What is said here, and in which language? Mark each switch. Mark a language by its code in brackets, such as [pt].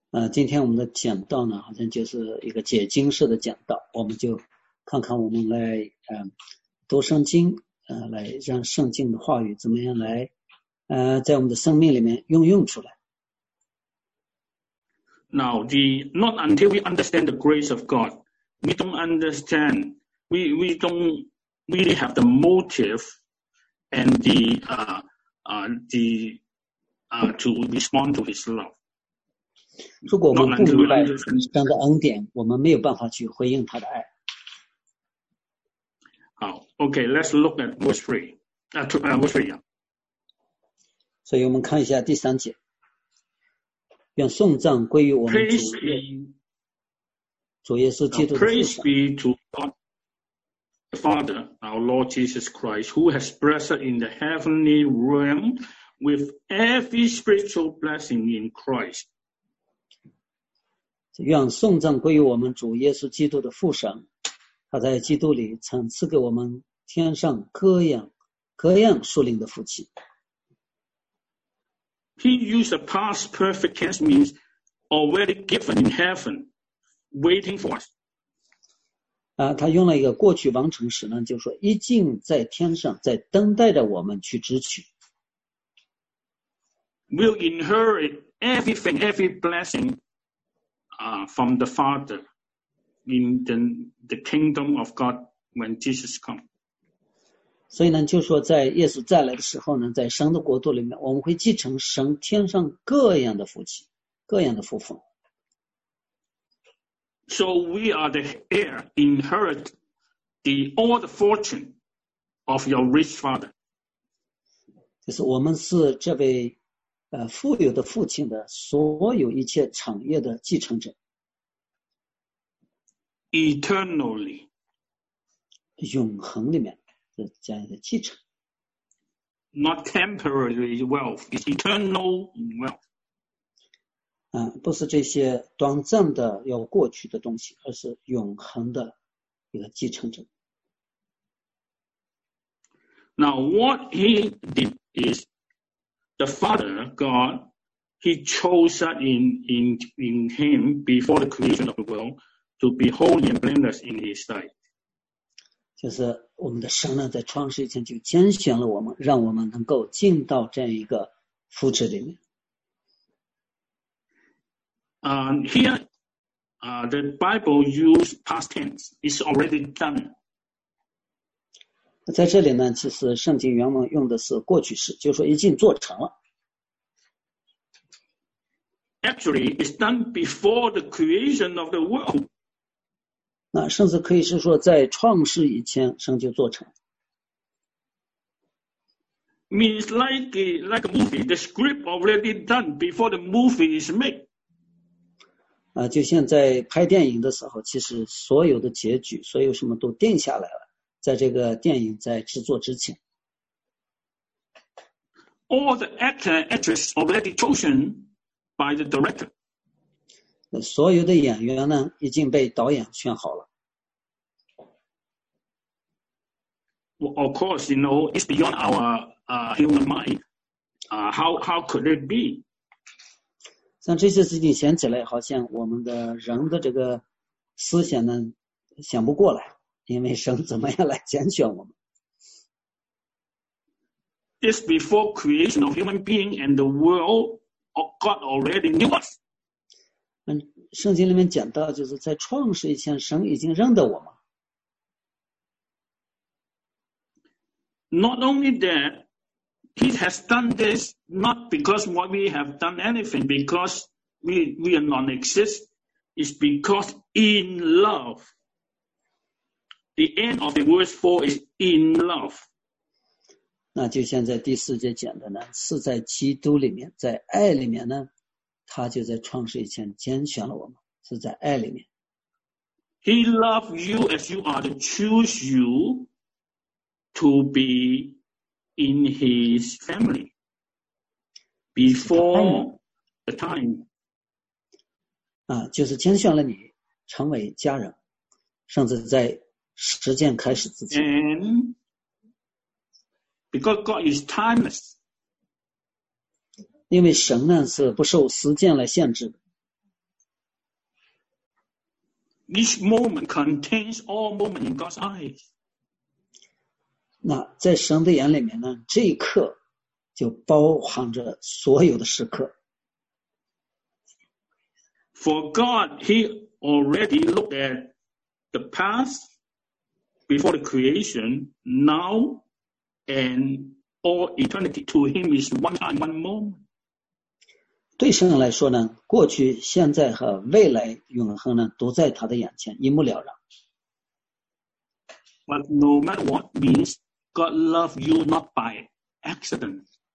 [zh] 今天我们的讲道呢，好像就是一个解经式的讲道，我们就看看我们来读圣经，来让圣经的话语怎么样来在我们的生命里面用出来。 [en] Now, the not until we understand the grace of God, we don't understand, we don't really have the motive and to respond to His love. [zh] 如果我们不明白神的恩典，我们没有办法去回应他的爱。 [en] 好 ，OK， let's look at verse three. Verse three. [zh] 所以我们看一下第三节。愿颂赞归于我们主耶稣基督的父。 [en] Praise be to God, the Father, our Lord Jesus Christ, who has blessed in the heavenly realm with every spiritual blessing in Christ. [zh] 愿颂赞归于我们主耶稣基督的父神，他在基督里曾赐给我们天上各样属灵的福气。 [en] He used a past perfect tense means already given in heaven, waiting for us. [zh] 他用了一个过去完成时呢，就是说已经在天上，在等待着我们去支取。 [en] We'll inherit everything, every blessing. From the Father in the kingdom of God when Jesus comes. [zh] 所以呢，就说在耶稣再来的时候呢，在神的国度里面，我们会继承神天上各样的福气，各样的福分。 [en] So we are the heir, inherit the all the fortune of your rich Father. [zh] 就是我们是这位富有的父亲的所有一切产业的继承者。 [en] Eternally, [zh] 永恒里面的这样的继承。 [en] Not temporary wealth, it's eternal wealth. [zh] 不是这些短暂的要过去的东西，而是永恒的一个继承者。 [en] Now what he did is the Father God, he chose that in him before the creation of the world to be holy and blameless in his sight. [zh] 就是我们的神呢，在创世以前就拣选了我们，让我们能够进到这样一个父之里面。 [en] The Bible used past tense. It's already done. [zh] 在这里呢，其实圣经原文用的是过去式，就是说已经做成了。 [en] Actually, it's done before the creation of the world. [zh] 那甚至可以是说，在创世以前，神就做成。 [en] Means like a movie. The script already done before the movie is made. [zh] 就像在拍电影的时候，其实所有的结局所有什么都定下来了，在这个电影在制作之前。 [en] All the actor actress already chosen by the director. [zh] 所有的演员呢已经被导演选好了。 [en] Well, of course, you know, it's beyond our human mind. How could it be? [zh] 像这些事情想起来，好像我们的人的这个思想呢，想不过来，因为神怎么样来拣选我们 [en] ？It's before creation of human being and the world, God already knew us. [zh] 圣经里面讲到，就是在创世以前，神已经认得我们。 [en] Not only that. He has done this not because what we have done anything, because we are non-exist. It's because in love. The end of the verse 4 is in love. [zh] 那就像在第四节讲的呢，是在基督里面，在爱里面呢，他就在创世以前拣选了我们，是在爱里面。 [en] He loved you as you are to choose you to be. In his family, before the time, [zh] 就是拣选了你成为家人，甚至在时间开始之前。 [en] And because God is timeless, [zh] 因为神呢是不受时间来限制的。 [en] Each moment contains all moments in God's eyes. [zh] 那在神的眼里面呢，这一刻就包含着所有的时刻。 [en] For God, He already looked at the past before the creation, now and all eternity. To Him is one time, one moment. [zh] 对神来说呢，过去、现在和未来永恒呢，都在他的眼前一目了然。 [en] But no matter what means. God loved you not by accident.